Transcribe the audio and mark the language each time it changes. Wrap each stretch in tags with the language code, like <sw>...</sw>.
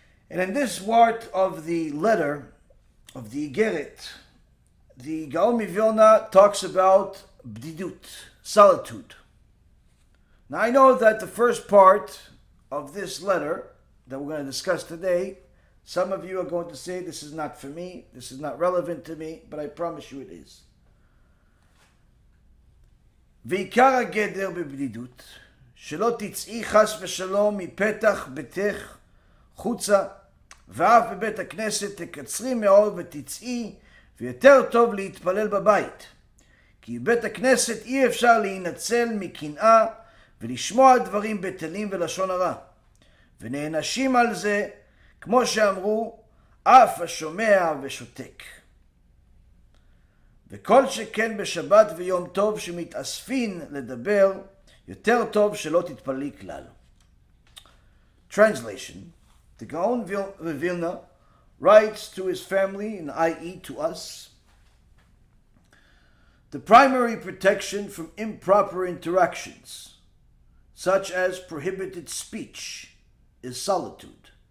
<en>And in this part of the letter of the Igeret, the Gaon Mivilna talks about bdidut, solitude. Now, I know that the first part of this letter that we're going to discuss today, some of you are going to say, this is not for me, this is not relevant to me, but I promise you it is.</en> <he>Veikar hageder bebdidut, shelo titzi chas v'shalom mipetach bitech chutza, ve'af bebet hakneset tekatzri me'ol v'titzi, ויותר טוב להתפלל בבית, כי בבית הכנסת אי אפשר להינצל מקנאה ולשמוע דברים בטלים ולשון הרע, ונענשים על זה, כמו שאמרו, אף השומע ושותק. וכל שכן בשבת ויום טוב שמתאספין לדבר, יותר טוב שלא תתפלי כלל.</he> <en>Translation: The Gaon Vilna writes to his family, and i.e. to us, the primary protection from improper interactions, such as prohibited speech, is solitude.</en>